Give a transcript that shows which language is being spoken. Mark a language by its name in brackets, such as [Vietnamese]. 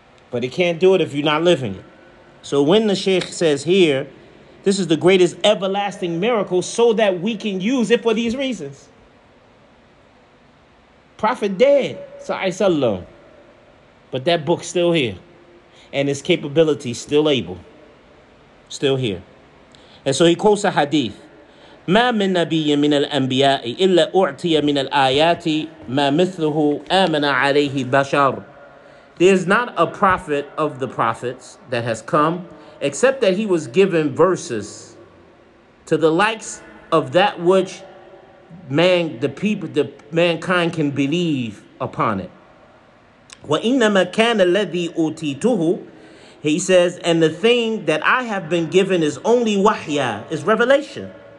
[English] But it can't do it if you're not living it. So when the Sheikh says here, this is the greatest everlasting miracle so that we can use it for these reasons. Prophet dead, sallallahu alaihi wasallam. But that book's still here. And his capability still able. Still here. And so he quotes a hadith. [Arabic] ما من نبي من الأنبياء إلا أعطي من الآيات ما مثله آمن عليه بشر. [English] There is not a prophet of the prophets that has come, except that he was given verses to the likes of that which man, the mankind can believe upon it. [Arabic] وإنما كان الذي أوتيته, [English] he says, and the thing that I have been given is only وحيا, is revelation.